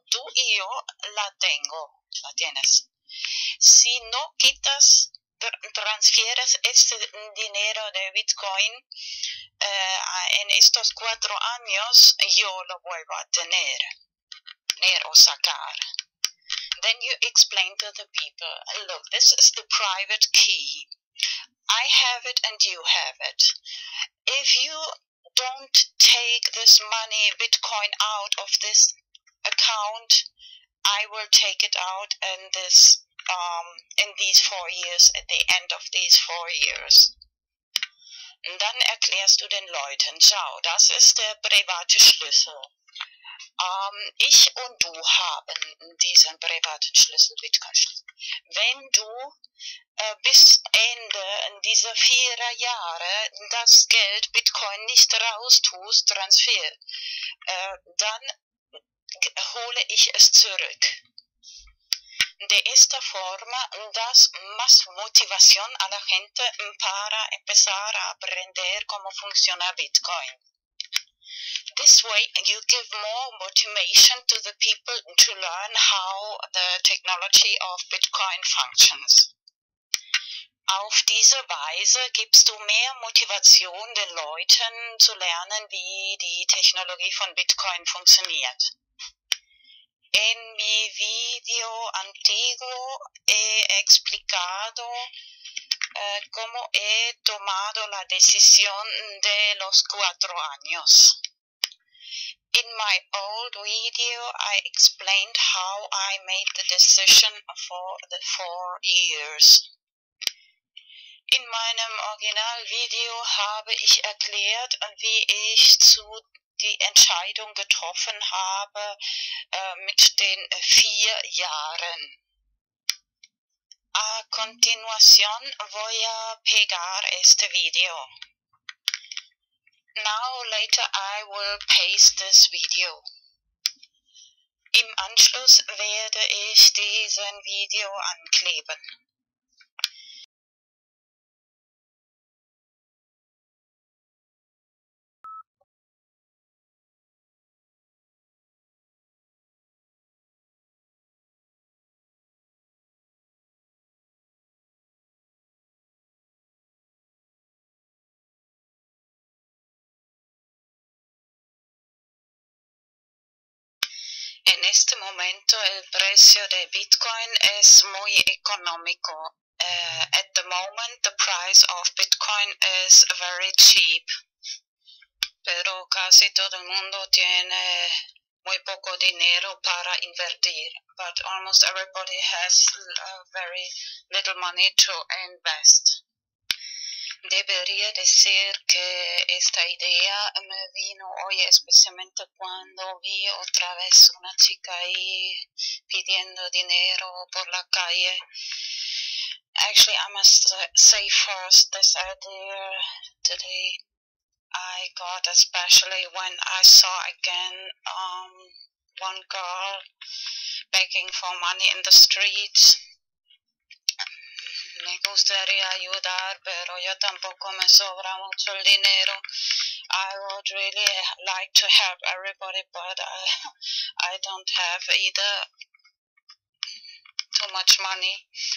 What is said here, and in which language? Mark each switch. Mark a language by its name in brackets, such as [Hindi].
[Spanish] Tú y yo la tengo, la tienes. Si no quitas, transfieres este dinero de Bitcoin en estos 4 años, yo lo vuelvo a tener o sacar. [English] Then you explain to the people, look, this is the private key. I have it and you have it. If you don't take this money, Bitcoin, out of this account, I will take it out in this, in these 4 years, at the end of these 4 years. [German] Und dann erklärst du den Leuten, schau, das ist der private Schlüssel. Ich und du haben diesen privaten Schlüssel, Bitcoin-Schlüssel. Wenn du bis Ende dieser 4 Jahre das Geld Bitcoin nicht raustust, Transfer, dann hole ich es zurück. [Spanish] De esta forma das más motivación a la gente para empezar a aprender cómo funciona Bitcoin. [English] This way you give more motivation to the people to learn how the technology of Bitcoin functions. [German] Auf diese Weise gibst du mehr Motivation den Leuten zu lernen, wie die Technologie von Bitcoin funktioniert. [Spanish] En mi video antiguo he explicado cómo he tomado la decisión de los 4 años. [English] In my old video, I explained how I made the decision for the 4 years. [German] In meinem Originalvideo habe ich erklärt, wie ich zu die Entscheidung getroffen habe mit den 4 Jahren. [Spanish] A continuación voy a pegar este video. [English] Now later I will paste this video. [German] Im Anschluss werde ich diesen Video ankleben. [Spanish] En este momento el precio de Bitcoin es muy económico. [English] At the moment the price of Bitcoin is very cheap. [Spanish] Pero casi todo el mundo tiene muy poco dinero para invertir. [English] But almost everybody has very little money to invest. [Spanish] Debería decir que esta idea me vino hoy especialmente cuando vi otra vez una chica ahí pidiendo dinero por la calle. [English] Actually, I must say first this idea today I got especially when I saw again one girl begging for money in the streets. [Spanish] Me gustaría ayudar, pero yo tampoco me sobra mucho el dinero. [English] I would really like to help everybody, but I don't have either too much money.